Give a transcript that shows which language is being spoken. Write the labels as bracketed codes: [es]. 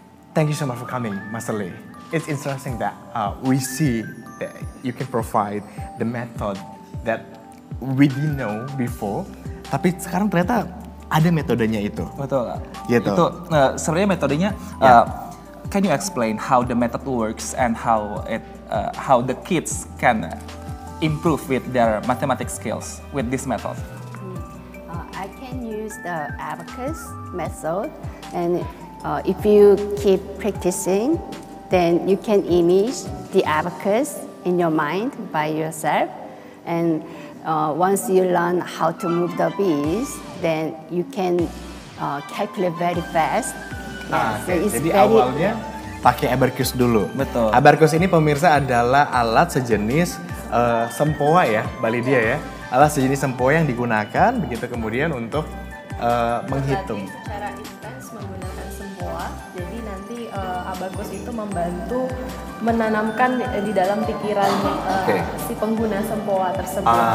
[en] Thank you so much for coming, Master Lee. It's interesting that we see that you can provide the method that we didn't know before, [id] tapi sekarang ternyata ada metodenya itu. Betul gak? Gitu. Itu sebenarnya metodenya, yeah. [en] Can you explain how the method works and how it how the kids can improve with their mathematics skills with this method? I can use the abacus method, and if you keep practicing, then you can image the abacus in your mind by yourself. And once you learn how to move the bees, then you can calculate very fast. [id] Jadi awalnya pakai abacus dulu. Betul. Abacus ini pemirsa adalah alat sejenis sempoa ya, Bali dia ya. Alat sejenis sempoa yang digunakan begitu kemudian untuk menghitung. Berarti secara intens menggunakan sempoa, jadi nanti abacus itu membantu menanamkan di dalam pikiran si pengguna sempoa tersebut.